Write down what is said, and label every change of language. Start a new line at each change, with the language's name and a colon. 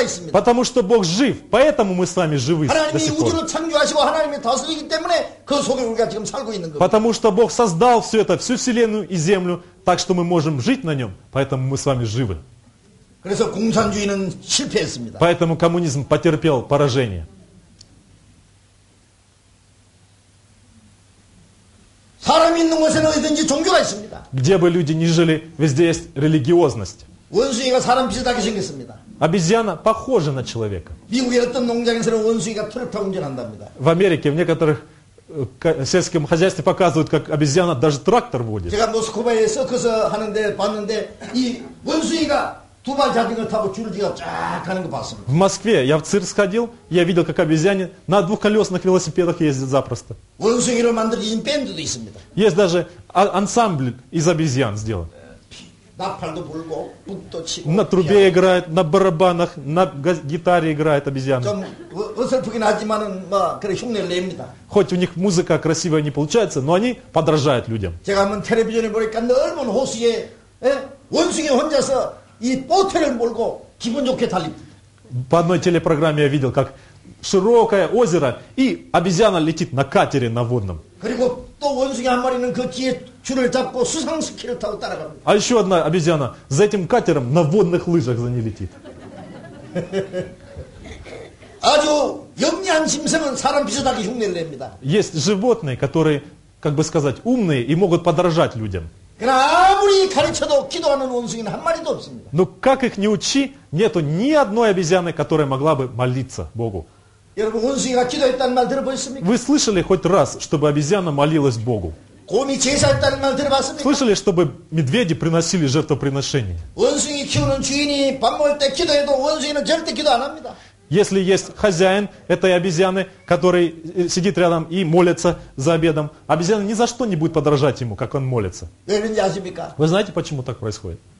Russian: Потому что Бог жив, поэтому мы с вами живы до сих пор. Потому что Бог создал все это, всю вселенную и землю, так что мы можем жить на нем, поэтому мы с вами живы.
Korean: 그래서 공산주의는 실패했습니다.
Russian: Поэтому коммунизм потерпел поражение.
Korean: 사람이 있는 곳에는 어디든지 종교가 있습니다.
Russian: Где бы люди ни жили, везде есть религиозность.
Korean: 원숭이가 사람 비슷하게 생겼습니다.
Russian: Обезьяна похожа на человека.
Korean: 미국의 어떤 농장에서는 원숭이가 트럭을 운전한답니다.
Russian: В Америке в некоторых сельском хозяйстве показывают, как обезьяна даже трактор водит.
Korean: 제가 모스크바에 서커스 하는데 봤는데 이 원숭이가 두발 자전거 타고 줄지가 쫙 가는 거 봤습니다.
Russian: В Москве я в цирк сходил, я видел, как обезьяне на двухколесных велосипедах ездят запросто.
Korean: 원숭이를 만들어진 밴드도 있습니다.
Russian: Есть даже ансамбль из обезьян сделан.
Korean: 나팔도 불고 북도 치고
Russian: на трубе играет, на барабанах, на гитаре играет обезьяна.
Korean: 좀 어설프긴 하지만은 뭐 그래 흉내를 냅니다.
Russian: Хоть у них музыка красивая не получается, но они подражают людям.
Korean: 제가 한번 텔레비전에 보니까 넓은 호수에 원숭이 혼자서 이 보트를 몰고 기분 좋게 달립니다.
Russian: По одной телепрограмме я видел, как широкое озеро и обезьяна летит на катере на водном.
Korean: 그리고 또 원숭이 한 마리는 그 뒤에 줄을 잡고 수상스키를 타고 따라갑니다.
Russian: А еще одна обезьяна за этим катером на водных лыжах за ней летит.
Korean: 아주 영리한 짐승은 사람 비슷하게 흉내를 냅니다.
Russian: Есть животные, которые, как бы сказать, умные и могут подражать людям.
Korean: 그러나 아무리 가르쳐도 기도하는 원숭이는 한 마리도 없습니다.
Russian: Но как их не учи, нету ни одной обезьяны, которая могла бы молиться Богу.
Korean: 여러분 원숭이가 기도했다는 말 들어보셨습니까?
Russian: Вы слышали хоть раз, чтобы обезьяна молилась Богу?
Korean: 곰이 제사했다는 말 들어봤습니까?
Russian: Слышали, чтобы медведи приносили жертвоприношение?
Korean: 원숭이 키우는 주인이 밥 먹을 때 기도해도 원숭이는 절대 기도 안 합니다.
Russian: Если есть хозяин этой обезьяны, который сидит рядом и молится за обедом, обезьяна ни за что не будет подражать ему, как он молится. Вы знаете, почему так происходит?